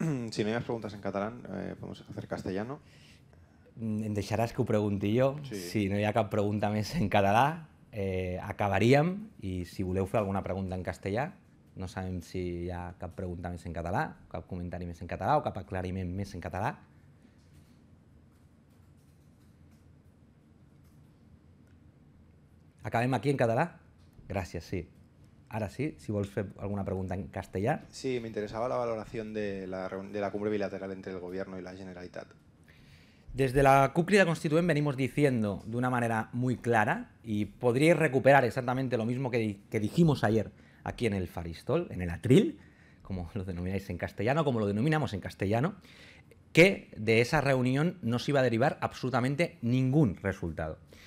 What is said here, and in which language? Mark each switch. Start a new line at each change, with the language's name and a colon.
Catalan: Si no hi ha preguntes en català,
Spanish: podemos hacer castellano.
Catalan: Em deixaràs que ho pregunti jo. Sí. Si no hi ha cap pregunta més en català, acabaríem. I si voleu fer alguna pregunta en castellà, no sabem si hi ha cap pregunta més en català, cap comentari més en català o cap aclariment més en català. Acabem aquí en català? Gràcies, sí. Ara sí, si vols fer alguna pregunta en castellà. Sí, m'interessava la valoració de la cumbre bilateral entre el govern i la Generalitat.
Spanish: Desde la CUP Crida Constituent venimos diciendo de una manera muy clara y podríais recuperar exactamente lo mismo que dijimos ayer aquí en el Faristol, en el Atril, como lo denomináis en castellano, como lo denominamos en castellano, que de esa reunión no se iba a derivar absolutamente ningún resultado.